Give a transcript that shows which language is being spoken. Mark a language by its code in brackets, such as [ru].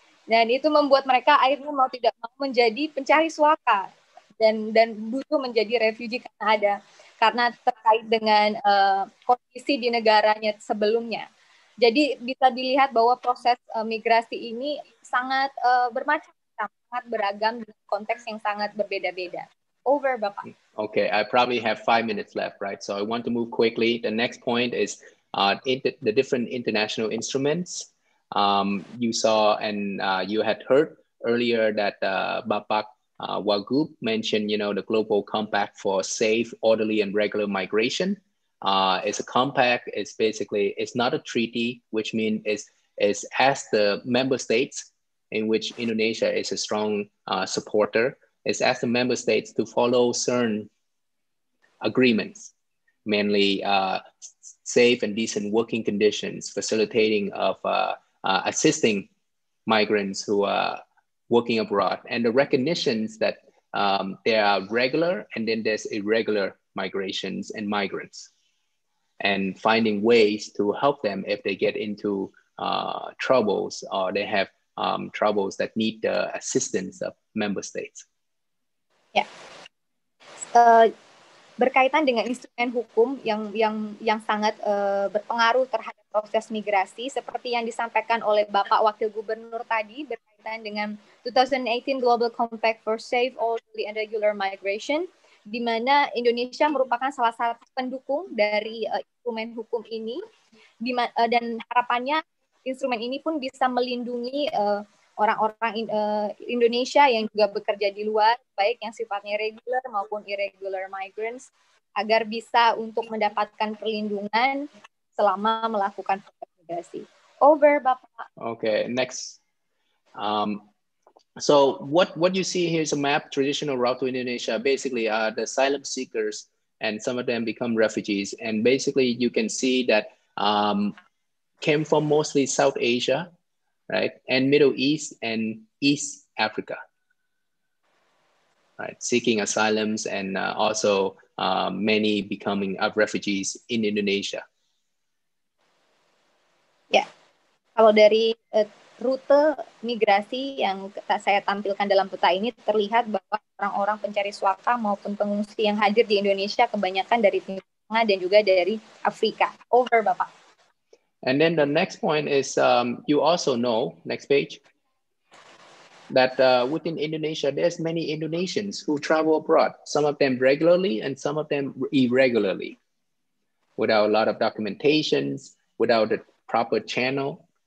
[id] Dan itu membuat mereka akhirnya mau tidak mau menjadi pencari suaka dan butuh menjadi refugee karena terkait dengan kondisi di negaranya sebelumnya. Jadi bisa dilihat bahwa proses migrasi ini sangat bermacam-macam, sangat beragam dengan konteks yang sangat berbeda-beda. [en] Over, Bapak. Okay, I probably have 5 minutes left, right? So I want to move quickly. The next point is the different international instruments. You saw and you had heard earlier that Bapak Wagub mentioned, you know, the Global Compact for Safe, Orderly, and Regular Migration. It's a compact. It's basically, it's not a treaty, which means it's as the member states, in which Indonesia is a strong supporter, it's as the member states to follow certain agreements, mainly safe and decent working conditions, facilitating of assisting migrants who are working abroad, and the recognitions that there are regular and then there's irregular migrations and migrants, and finding ways to help them if they get into troubles or they have troubles that need the assistance of member states. Yeah. [id] Berkaitan dengan instrumen hukum yang sangat berpengaruh terhadap proses migrasi, seperti yang disampaikan oleh Bapak Wakil Gubernur tadi berkaitan dengan 2018 Global Compact for Safe, Orderly, and Regular Migration, di mana Indonesia merupakan salah satu pendukung dari instrumen hukum ini, dan harapannya instrumen ini pun bisa melindungi orang-orang Indonesia yang juga bekerja di luar, baik yang sifatnya regular maupun [en] irregular migrants, [id] agar bisa untuk mendapatkan perlindungan selama melakukan migrasi. [en] Over, Bapak. Okay, next. So what you see here is a map, traditional route to Indonesia. Basically, the asylum seekers and some of them become refugees. And basically, you can see that came from mostly South Asia, right, and Middle East and East Africa, right, seeking asylums and also many becoming refugees in Indonesia. [id] Yeah, kalau dari rute migrasi yang saya tampilkan dalam peta ini terlihat bahwa orang-orang pencari suaka maupun pengungsi yang hadir di Indonesia kebanyakan dari Timur Tengah dan juga dari Afrika. [en] Over, Bapak. And then the next point is, you also know, next page, that within Indonesia, there's many Indonesians who travel abroad, some of them regularly and some of them irregularly, without a lot of documentations, without a proper channel.